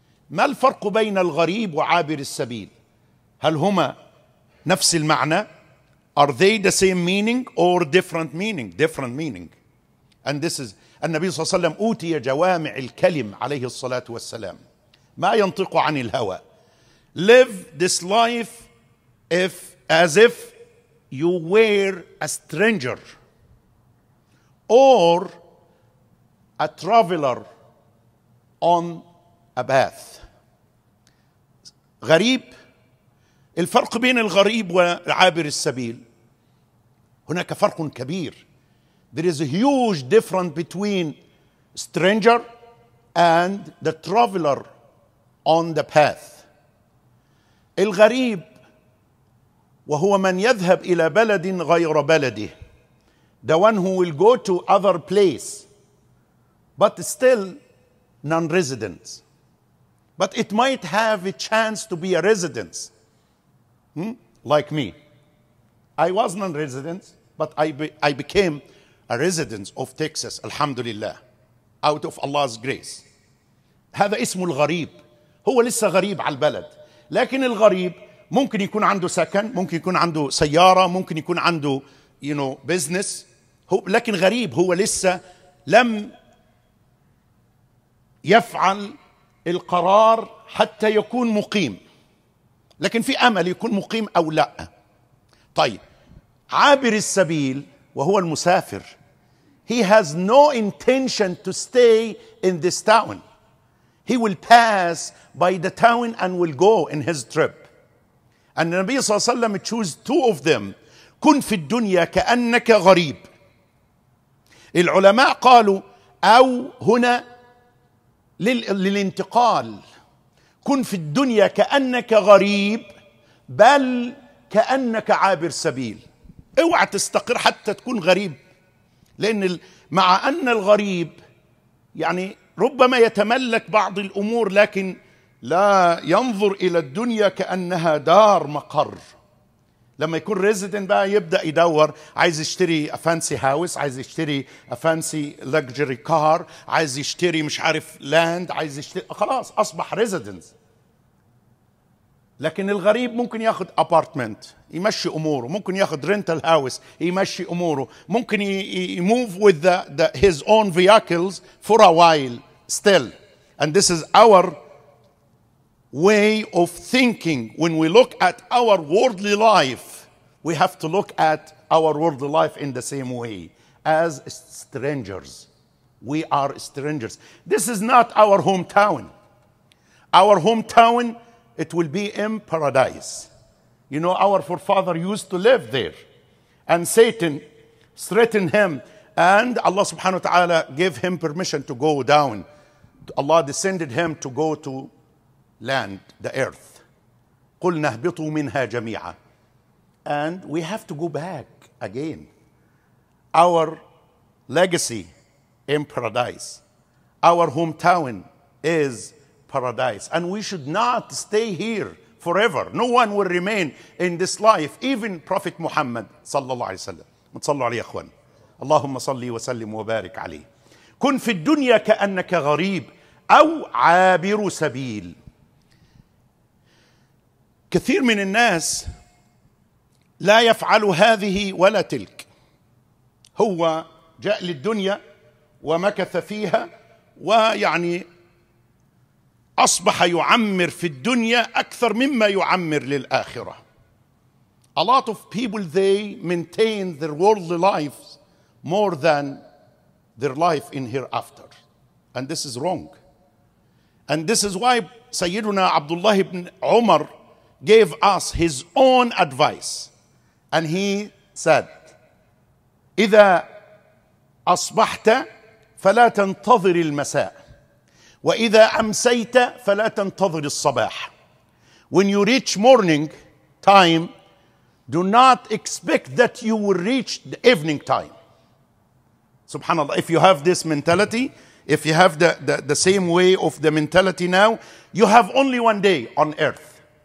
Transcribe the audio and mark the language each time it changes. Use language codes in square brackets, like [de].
[ar] ما الفرق بين الغريب وعابر السبيل؟ هل هما نفس المعنى؟ [en] Are they the same meaning or different meaning? Different meaning. And this is [ar] النبي صلى الله عليه وسلم أوتي جوامع الكلم عليه الصلاة والسلام، ما ينطق عن الهوى. [en] Live this life as if you were a stranger or a traveler on a path. [ar] غريب. الفرق بين الغريب وعابر السبيل، هناك فرق كبير. [en] There is a huge difference between stranger and the traveler on the path. [ar] الغريب وهو من يذهب إلى بلد غير بلده. [en] The one who will go to other place but still non-resident. But it might have a chance to be a resident. Like me. I was non-resident but I became a resident of Texas, alhamdulillah, out of Allah's grace. [ar] هذا اسمه الغريب. هو لسه غريب على البلد. لكن الغريب ممكن يكون عنده سكن، ممكن يكون عنده سيارة، ممكن يكون عنده [en] you know business. [ar] لكن غريب، هو لسه لم يفعل القرار حتى يكون مقيم. لكن في أمل يكون مقيم أو لا. طيب عابر السبيل وهو المسافر. [en] He has no intention to stay in this town. He will pass by the town and will go in his trip. And the Nabi [ar] صلى الله عليه وسلم [en] choose two of them. [ar] كن في الدنيا كأنك غريب. العلماء قالوا أو هنا للانتقال. كن في الدنيا كأنك غريب بل كأنك عابر سبيل. اوعى تستقر حتى تكون غريب، لأن مع أن الغريب يعني ربما يتملك بعض الأمور لكن لا ينظر إلى الدنيا كأنها دار مقر. لما يكون [en] resident [ar] بقى يبدأ يدور، عايز يشتري [en] fancy house, [ar] عايز يشتري [en] fancy luxury car, [ar] عايز يشتري مش عارف [en] land, [ar] عايز يشتري، خلاص أصبح ريزيدنت. لكن الغريب ممكن ياخد أبارتمنت يمشي أموره، ممكن ياخد [en] rental house [ar] يمشي أموره، ممكن يموف [en] with his own vehicles for a while still. And this is our way of thinking. When we look at our worldly life, we have to look at our worldly life in the same way as strangers. We are strangers. This is not our hometown. Our hometown, it will be in paradise. You know, our forefather used to live there. And Satan threatened him. And Allah subhanahu wa ta'ala gave him permission to go down. Allah descended him to go to land, the earth. [ar] قلنا اهبطوا منها جميعا. [en] And we have to go back again. Our legacy in paradise. Our hometown is paradise. And we should not stay here forever. No one will remain in this life. Even Prophet Muhammad [ar] صلى الله عليه وسلم. متصلوا عليه أخوان. اللهم صلي وسلم وبارك عليه. كن في الدنيا كأنك غريب أو عابر سبيل. كثير من الناس لا يفعل هذه ولا تلك. هو جاء للدنيا ومكث فيها ويعني أصبح يعمر في الدنيا أكثر مما يعمر للآخرة. [en] A lot of people, they maintain their worldly lives more than their life in hereafter. And this is wrong. And this is why سيدنا عبد الله بن عمر gave us his own advice. And he said, [ar] إذا أصبحت فلا تنتظر المساء. وإذا أمسيت فلا تنتظر الصباح. [en] When you reach morning time, do not expect that you will reach the evening time. [ar] سبحان الله. [en] If you have this mentality, if you have the same way of the mentality now, you have only one day on earth.